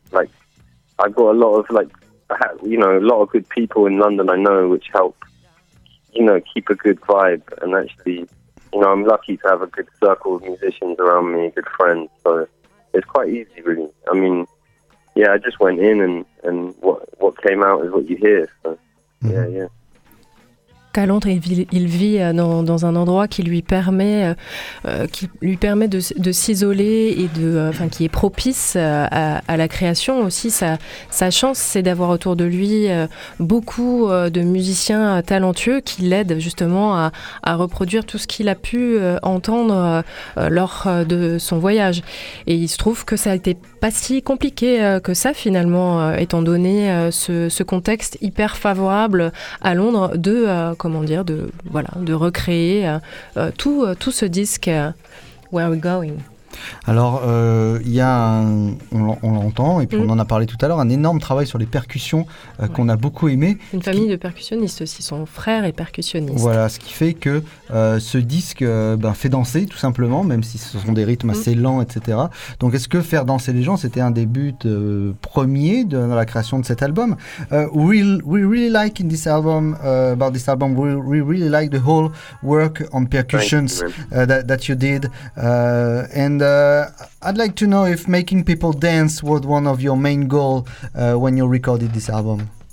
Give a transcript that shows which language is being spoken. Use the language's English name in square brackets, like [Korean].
[English] Like, I got a lot of, like, you know, a lot of good people in London I know, which help, you know, keep a good vibe. And actually, you know, I'm lucky to have a good circle of musicians around me, good friends. So it's quite easy, really. I mean, yeah, I just went in and what came out is what you hear. So, yeah, yeah. [French] À Londres, il vit dans un endroit qui lui permet de s'isoler et de, enfin, qui est propice à la création aussi. Sa chance, c'est d'avoir autour de lui beaucoup de musiciens talentueux qui l'aident justement à reproduire tout ce qu'il a pu entendre lors de son voyage. Et il se trouve que ça a été pas si compliqué que ça, finalement, étant donné ce contexte hyper favorable à Londres de, comment dire, de, voilà, de recréer tout ce disque Where Are We Going. Alors, il y a on l'entend, et puis on en a parlé tout à l'heure, un énorme travail sur les percussions qu'on a beaucoup aimé. Une famille de percussionnistes aussi, son frère est percussionniste. Voilà, ce qui fait que ce disque fait danser, tout simplement, même si ce sont des rythmes assez lents, etc. Donc, est-ce que faire danser les gens, c'était un des buts premiers dans la création de cet album? [English] We really like in this album, about this album, we really like the whole work on percussions that you did. And I'd like to know if making people dance was one of your main goals when you recorded this album.